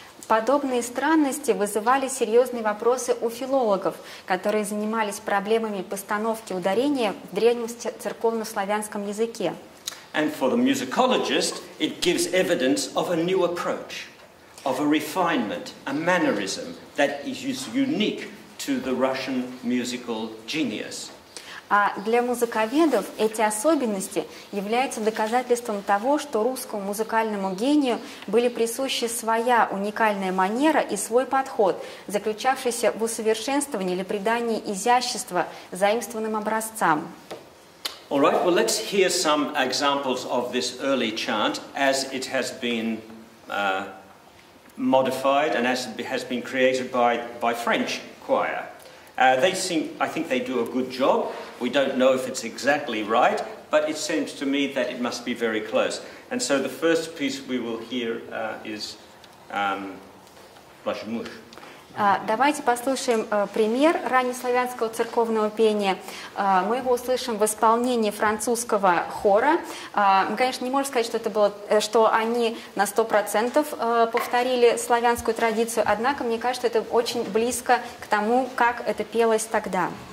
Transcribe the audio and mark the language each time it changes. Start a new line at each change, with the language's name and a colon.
Russian: Подобные странности вызывали серьезные вопросы у филологов, которые занимались проблемами постановки ударения в древнем церковно-славянском языке.
English: And for the musicologist, it gives evidence of a new approach, of a refinement, a mannerism that is unique to the Russian musical genius.
Russian: А для музыковедов эти особенности являются доказательством того, что русскому музыкальному гению были присущи своя уникальная манера и свой подход, заключавшийся в усовершенствовании или придании изящества заимствованным образцам.
English: All right, well, let's hear some examples of this early chant as it has been modified and as it has been created by French choir. They sing, I think they do a good job. We don't know if it's exactly right, But it seems to me that it must be very close. And so the first piece we will hear is Ваш муж.
Russian: Давайте послушаем пример раннеславянского церковного пения. Мы его услышим в исполнении французского хора. Мы, конечно, не можем сказать, что это было, что они на 100% повторили славянскую традицию, однако мне кажется, это очень близко к тому, как это пелось тогда.